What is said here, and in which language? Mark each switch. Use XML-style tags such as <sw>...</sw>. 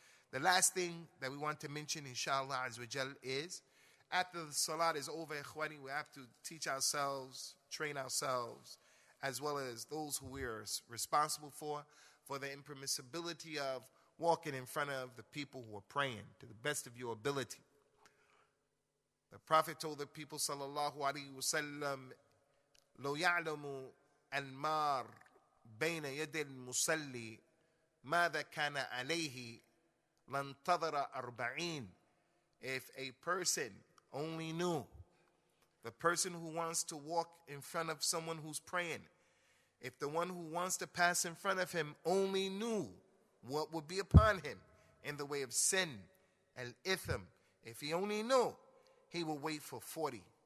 <en>The last thing that we want to mention, inshallah azza wa jal, is after the salat is over, ikhwani, we have to teach ourselves, train ourselves, as well as those who we are responsible for the impermissibility of walking in front of the people who are praying to the best of your ability. The Prophet told the people,</en> <ar>sallallahu alayhi wa sallam, لو يعلم المار بين يد المصلي ماذا كان عليه لانتظر 40.</ar> <en>If a person only knew, the person who wants to walk in front of someone who's praying, if the one who wants to pass in front of him only knew what would be upon him in the way of sin, al-ithm, if he only knew, he will wait for 40.</en>